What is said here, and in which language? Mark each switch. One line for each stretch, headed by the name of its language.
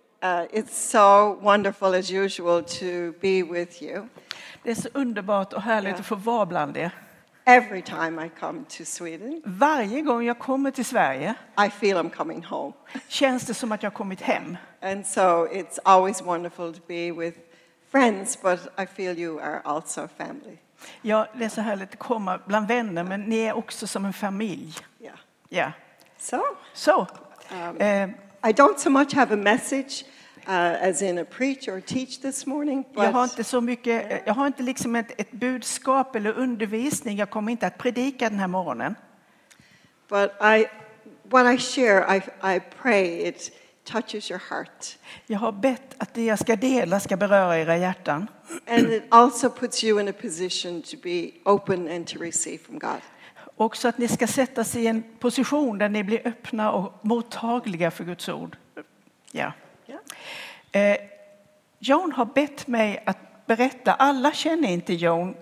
English: It's so wonderful, as usual, to be with you.
Swedish: Det är så underbart och härligt att få vara bland er.
English: Every time I come to Sweden.
Swedish: Varje gång jag kommer till Sverige.
English: I feel I'm coming home.
Swedish: Känns det som att jag kommit hem.
English: And so it's always wonderful to be with friends, but I feel you are also family.
Swedish: Ja, det är så härligt att komma bland vänner, men ni är också som en familj. Yeah. Yeah. So. So.
English: I don't so much have a message as in a preach or teach this morning. But
Swedish: jag har inte så mycket. Jag har inte liksom ett budskap eller undervisning. Jag kommer inte att predika den här morgonen.
English: But what I share, I pray it touches your heart.
Swedish: Jag har bett att det jag ska dela ska beröra era hjärtan.
English: And it also puts you in a position to be open and to receive from God.
Swedish: Också att ni ska sätta sig i en position där ni blir öppna och mottagliga för Guds ord. Ja. Joan har bett mig att berätta. Alla känner inte Joan.